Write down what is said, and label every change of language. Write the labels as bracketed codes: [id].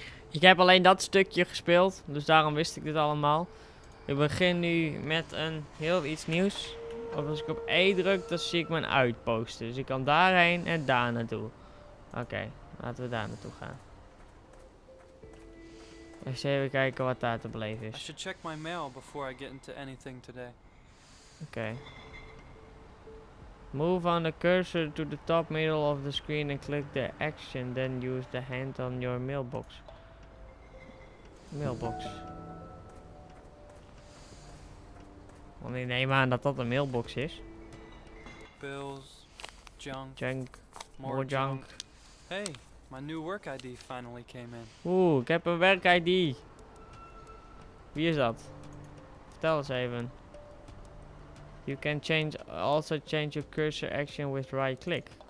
[nl] Ik heb alleen dat stukje gespeeld, dus daarom wist ik dit allemaal. Ik begin nu met een heel iets nieuws. Of als ik op E druk, dan zie ik mijn uitposten. Dus ik kan daarheen en daar naartoe. Oké, laten we daar naartoe gaan. Eens even kijken wat daar te beleven is. [en] I should check my mail before I get into anything today. [nl] Oké. [en] Move on the cursor to the top middle of the screen and click the action. Then use the hand on your mailbox. Mailbox. [nl] Want ik neem aan dat dat een mailbox is. [en] Bills, junk. Junk. More junk. Hey, my new work ID finally came in. [nl] Oeh, ik heb een werk ID. Wie is dat? Vertel eens even. [en] You can also change your cursor action with right click.